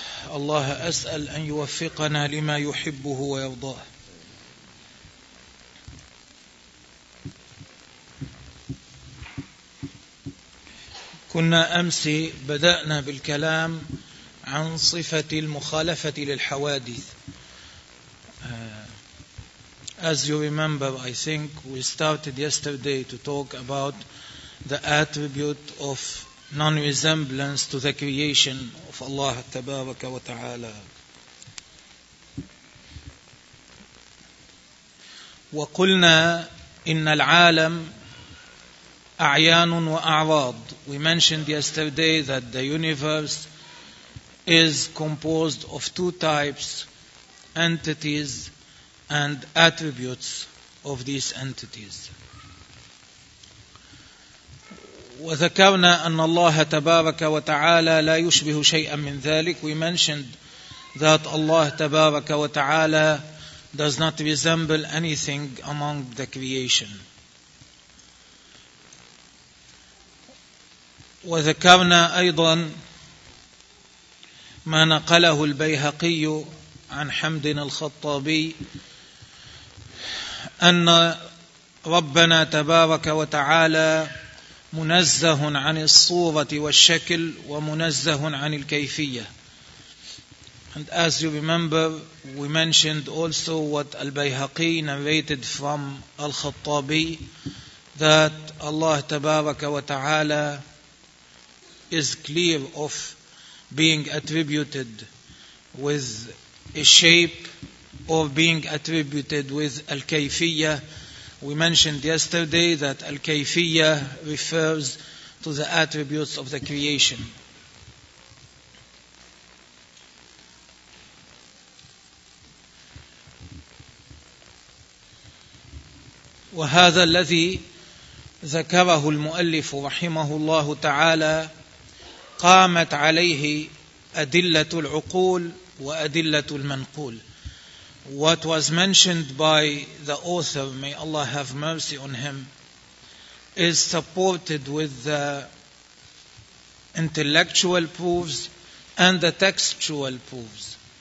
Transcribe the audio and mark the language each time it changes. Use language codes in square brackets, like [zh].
[ar] الله أسأل أن يوفقنا لما يحبه ويرضاه. كنا أمس بدأنا بالكلام عن صفة المخالفة للحوادث. [en] As you remember, I think we started yesterday to talk about the attribute of non-resemblance to the creation of Allah [ar] تبارك وتعالى. وقلنا إن العالم أعيان وأعراض. [en] We mentioned yesterday that the universe is composed of two types, entities and attributes of these entities. [ar] وذكرنا أن الله تبارك وتعالى لا يشبه شيئا من ذلك. [en] We mentioned that Allah [ar] تبارك وتعالى [en] does not resemble anything among the creation. [ar] وذكرنا أيضا ما نقله البيهقي عن حمد الخطابي أن ربنا تبارك وتعالى منزه عن الصورة والشكل ومنزه عن الكيفية. [en] And as you remember, we mentioned also what al-Bayhaqi narrated from al-Khattabi, that Allah [ar] تبارك وتعالى [en] is clear of being attributed with a shape or being attributed with al-kayfiyya. We mentioned yesterday that al-kayfiyya refers to the attributes of the creation. [ar] وهذا الذي ذكره المؤلف رحمه الله تعالى قامت عليه أدلة العقول وأدلة المنقول. [en] What was mentioned by the author, may Allah have mercy on him, is supported with the intellectual proofs and the textual proofs.